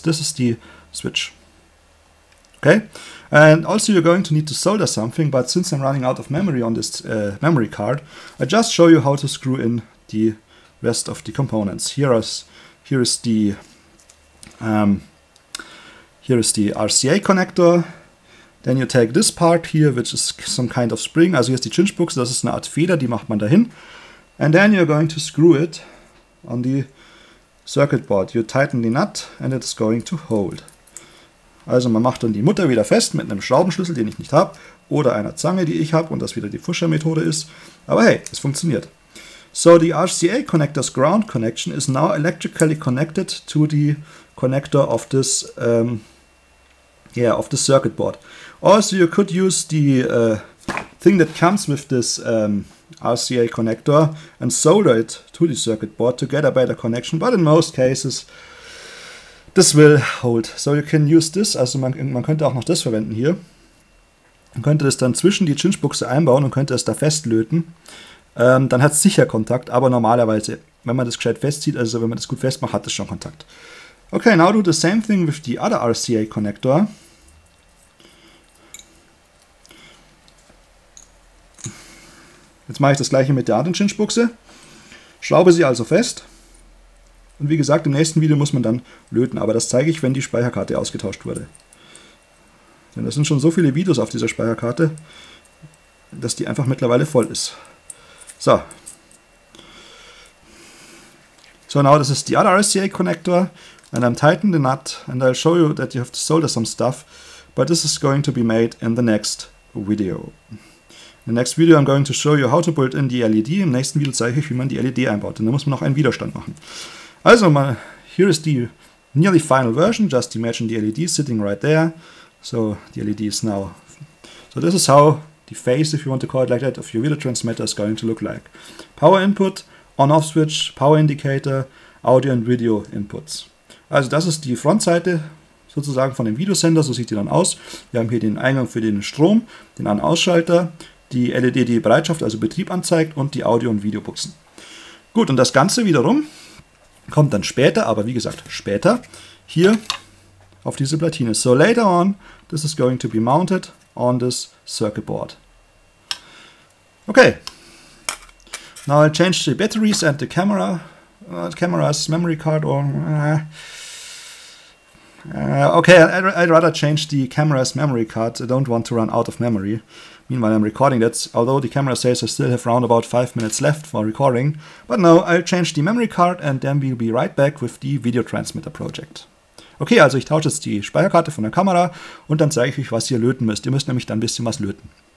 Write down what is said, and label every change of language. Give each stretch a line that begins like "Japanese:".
English: This is the switch. Okay? And also you're going to need to solder something, but since I'm running out of memory on this memory card, I just show you how to screw in the rest of the components. Here is the RCA connector. Then you take this part here, which is some kind of spring.
German: Also hier ist die Chinch-Buchse, das ist eine Art Feder, die macht man dahin.
English: And then you're going to screw it on the circuit board. You tighten the nut and it's going to hold.
German: Also man macht dann die Mutter wieder fest mit einem Schraubenschlüssel, den ich nicht habe, oder einer Zange, die ich habe und das wieder die Fuschermethode ist. Aber hey, es funktioniert.
English: So, the RCA connector's ground connection is now electrically connected to the connector of this, of the circuit board. Also you could use the thing that comes with this RCA connector and solder it to the circuit board to get a better connection, but in most cases this will hold. So you can use this,
German: also man könnte auch noch das verwenden hier. Man könnte das dann zwischen die Chinch-Buchse einbauen und könnte es da festlöten. Dann hat es sicher Kontakt, aber normalerweise, wenn man das gescheit festzieht, also wenn man das gut festmacht, hat es schon Kontakt.
English: Okay, now do the same thing with the other RCA connector.
German: Jetzt mache ich das gleiche mit der anderen Chinch-Buchse. Schraube sie also fest. Und wie gesagt, im nächsten Video muss man dann löten. Aber das zeige ich, wenn die Speicherkarte ausgetauscht wurde. Denn das sind schon so viele Videos auf dieser Speicherkarte, dass die einfach mittlerweile voll ist. So.
English: So, now this is the other RCA connector. And I'm tightening the nut. And I'll show you that you have to solder some stuff. But this is going to be made in the next video. In the next video I'm going to show you how to build in the LED.
German: Im nächsten Video zeige ich, wie man die LED einbaut. Und dann muss man noch einen Widerstand machen. Also, mal,
English: here is the nearly final version. Just imagine the LED sitting right there. So, the LED is now... So, this is how the face, if you want to call it like that, of your video transmitter is going to look like. Power input, on-off switch, power indicator, audio and video inputs.
German: Also, das ist die Frontseite sozusagen von dem Videosender. So sieht die dann aus. Wir haben hier den Eingang für den Strom, den An-Ausschalter, die LED, die Bereitschaft, also Betrieb anzeigt, und die Audio- und Videobuchsen. Gut, und das Ganze wiederum kommt dann später, aber wie gesagt, später, hier auf diese Platine.
English: So later on, this is going to be mounted on this circuit board. Okay. Now I'll change the batteries and the camera. Camera's memory card or... okay, I'd rather change the camera's memory card. I don't want to run out of memory. Meanwhile, I'm recording that. Although the camera says I still have around about 5 minutes left for recording. But no, I'll change the memory card and then we'll be right back with the video transmitter project.
German: Okay, also ich tausche jetzt die Speicherkarte von der Kamera und dann zeige ich euch, was ihr löten müsst. Ihr müsst nämlich dann ein bisschen was löten.